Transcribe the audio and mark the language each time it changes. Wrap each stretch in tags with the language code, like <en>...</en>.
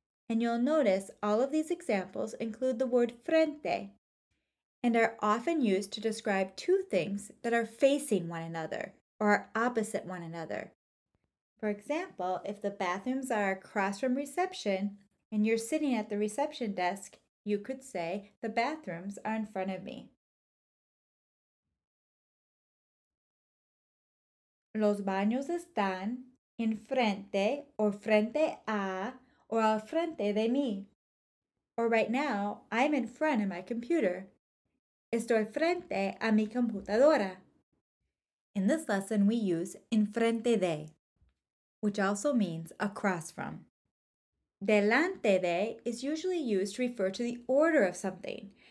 <en>And you'll notice all of these examples include the word frente and are often used to describe two things that are facing one another or are opposite one another. For example, if the bathrooms are across from reception and you're sitting at the reception desk, you could say, the bathrooms are in front of me.</en> <es>Los baños están en frente or frente a or al frente de mí.</es> <en>Or right now, I'm in front of my computer.</en> <es>Estoy frente a mi computadora.</es> <en>In this lesson, we use en frente de, which also means across from. Delante de is usually used to refer to the order of something.</en>